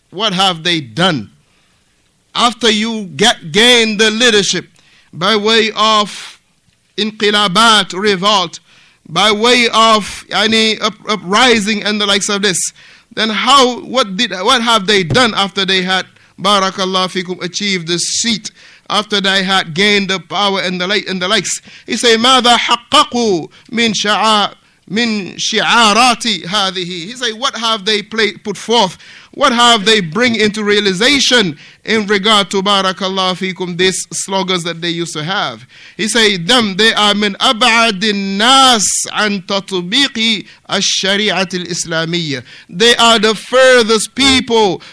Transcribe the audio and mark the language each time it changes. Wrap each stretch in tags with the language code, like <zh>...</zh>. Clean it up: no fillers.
<en>What have they done? After you gain the leadership by way of inqilabat, revolt, by way of any uprising and the likes of this, then what have they done after they had, barakallahu fikum, achieved the seat after they had gained the power and the light and the likes. He said,</en> <ar>ماذا حققوا من شعاراتي هذه.</ar> <en>He said, what have they put forth? What have they bring into realization in regard to barakallahu fikum, these slogans that they used to have? He said, them, they are</en> <ar>min abad nas an tatbiqi al-shari'at al-islamiyya.</ar> <en>They are the furthest people.</en>